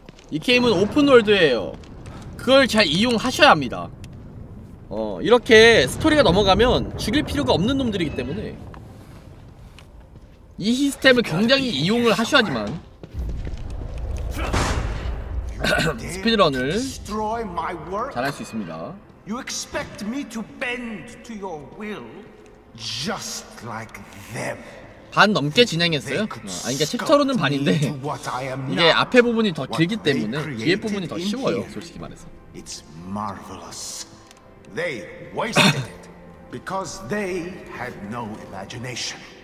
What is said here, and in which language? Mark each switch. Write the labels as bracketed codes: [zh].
[ko] 이 게임은 오픈월드예요. 그걸 잘 이용하셔야 합니다. 이렇게 스토리가 넘어가면 죽일 필요가 없는 놈들이기 때문에 이 시스템을 굉장히 이용을 하셔야지만 스피드런을 잘할 수 있습니다. [en] You expect me to bend to your will just like them. [ko] 반 넘게 진행했어요? 그러니까 챕터로는 반인데 이게 앞에 부분이 더 길기 때문에 뒤에 부분이 더 쉬워요, 솔직히 말해서. [en] It's marvelous. They wasted it because they had no imagination.